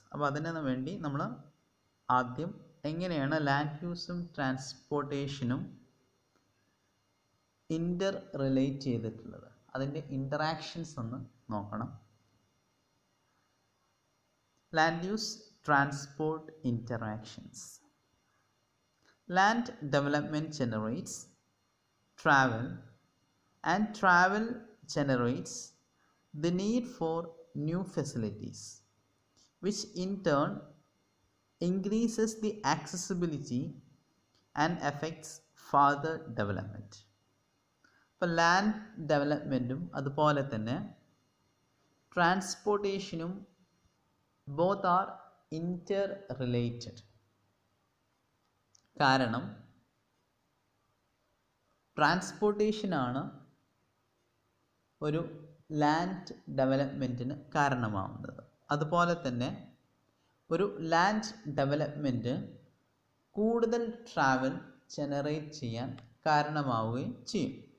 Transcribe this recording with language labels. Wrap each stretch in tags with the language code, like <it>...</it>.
<ml>അപ്പോൾ അതിന് വേണ്ടി നമ്മൾ ആദ്യം എങ്ങനെയാണ് ലാൻഡ് യൂസും ട്രാൻസ്പോർട്ടേഷനും ഇൻ്റർ റിലേറ്റ് ചെയ്തിട്ടുള്ളത്, അതിൻ്റെ ഇൻ്ററാക്ഷൻസ് ഒന്ന് നോക്കണം. Land use transport interactions.</ml> <en>Land development generates travel, and travel generates the need for new facilities, which in turn increases the accessibility and affects further development. For land developmentum</en> <ml>adupole thanne</ml> <en>transportationum both are interrelated.</en> <ml>കാരണം ട്രാൻസ്പോർട്ടേഷനാണ് ഒരു land ഡെവലപ്മെൻറ്റിന് കാരണമാവുന്നത്. അതുപോലെ തന്നെ ഒരു land development കൂടുതൽ travel generate ചെയ്യാൻ കാരണമാവുകയും ചെയ്യും.</ml>